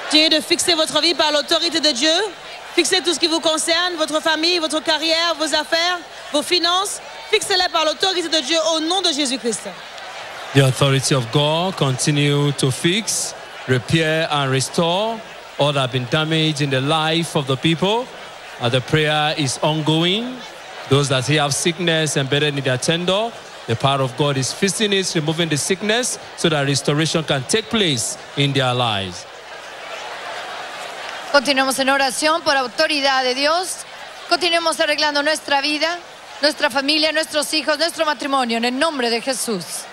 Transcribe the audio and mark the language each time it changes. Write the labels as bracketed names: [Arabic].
[French] De fixer votre vie par l'autorité de Dieu. Fixez tout ce qui vous concerne, votre famille, votre carrière, vos affaires, vos finances. Fixez-les par l'autorité de Dieu au nom de Jésus-Christ. [English] The authority of God continue to fix, repair and restore all that have been damaged in the life of the people. And the prayer is ongoing. Those that have sickness and better need their tender, the power of God is fixing it, removing the sickness so that restoration can take place in their lives. [Spanish] Continuemos en oración por autoridad de Dios. Continuemos arreglando nuestra vida, nuestra familia, nuestros hijos, nuestro matrimonio en el nombre de Jesús.